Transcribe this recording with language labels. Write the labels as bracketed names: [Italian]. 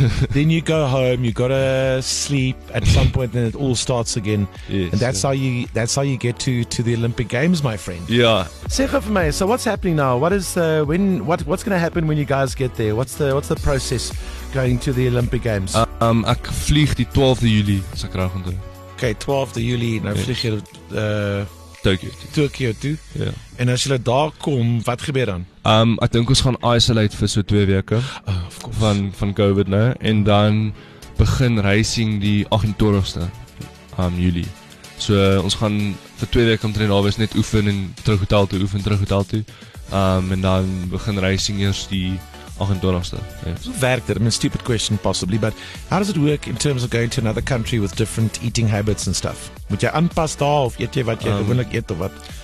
[English] Then you go home, you got to sleep at some point, then it all starts again. Yes, and that's how you get to the Olympic Games, my friend. Yeah. Sefafume, so what's happening now? What is what's going to happen when you guys get there? What's the process going to the Olympic Games? [Afrikaans] Ek vlieg die 12de Julie, as ek reg onthou. Okay, 12de Julie, nou vlieg jy Tokyo toe. Yeah. En as jy daar kom, wat gebeur dan? Ek dink ons gaan isolate vir so 2 weke. [English] Of course. [Afrikaans] Van COVID, né? En dan begin racing die 28ste Julie. So ons gaan vir 2 weke omtrent daar wees net oefen en terug hotel toe, en dan begin racing eers die 28ste. [English] Yes. [Afrikaans] Werk dit? [English] I mean, stupid question possibly, but how does it work in terms of going to another country with different eating habits and stuff? [Afrikaans] Moet jy aanpas daar of eet jy wat jy gewoonlik eet of wat?